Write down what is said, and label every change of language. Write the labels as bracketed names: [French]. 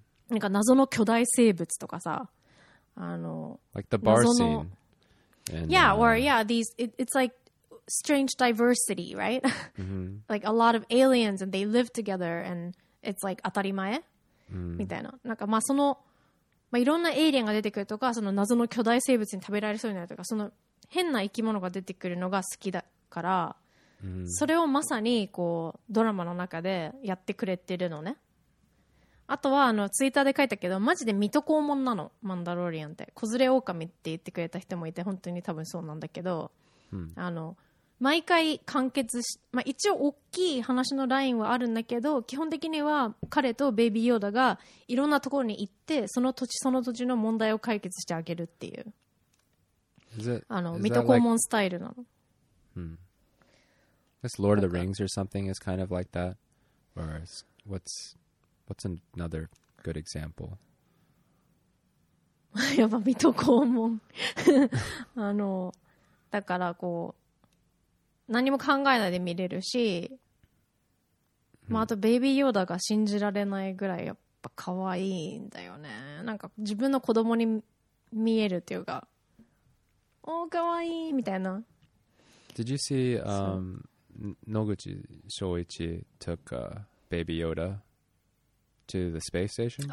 [Japanese] なんか謎の巨大生物とかさ、 [English] like the bar scene. And, yeah, or yeah, these, it's like strange diversity, right? Like a lot of aliens and they live together and it's like [Japanese] 当たり前みたいな。なんかまあその、まあいろんなエイリアンが出てくるとか、その謎の巨大生物に食べられそうになるとか、その変な生き物が出てくるのが好きだから、それをまさにこうドラマの中でやってくれてるのね。あとはツイッターで書いたけど、マジで水戸黄門なの、マンダロリアンって。子連れ狼って言ってくれた人もいて、本当に多分そうなんだけど、毎回完結し、まあ、一応大きい話のラインはあるんだけど、基本的には彼とベイビーヨーダがいろんなところに行って、その土地その土地の問題を解決してあげるっていう。水戸黄門スタイルなの。 [English] Is Lord of the Rings or something is kind of like that? Or what's... What's another good example? [Japanese] やっぱ水戸黄門あのだからこう何も考えないで見れるし、まあ、あとベイビーヨーダが信じられないぐらいやっぱ可愛いんだよね。なんか自分の子供に見えるっていうか、おー可愛いみたいな。 [English] Did you see、野口翔一 took Baby Yoda to the space station?